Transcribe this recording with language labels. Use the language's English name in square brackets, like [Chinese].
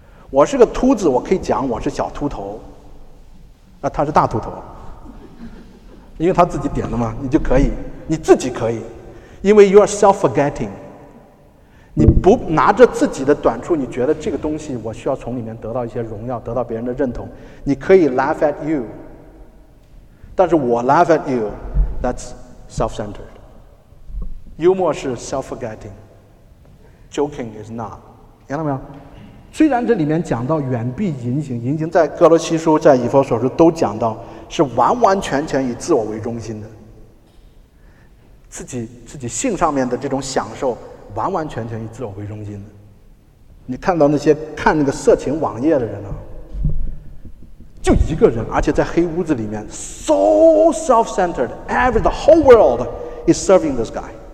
[Chinese] 我是个秃子，我可以讲我是小秃头，他是大秃头，因为他自己点的嘛，你就可以，你自己可以，因为 [English] you are self-forgetting， [Chinese] 你不拿着自己的短处，你觉得这个东西我需要从里面得到一些荣耀，得到别人的认同，你可以 [English] laugh at you。 [Chinese] 但是我 [English] laugh at you, that's self-centered。 [Chinese] 幽默是 self-forgetting， [English] joking is not， [Chinese] 听到没有？虽然这里面讲到远避淫行，淫行在哥罗西书在以弗所书都讲到是完完全全以自我为中心的，自己性上面的这种享受完完全全以自我为中心的。你看到那些看那个色情网页的人啊，就一个人，而且在黑屋子里面 [English] so self-centered， the whole world is serving this guy。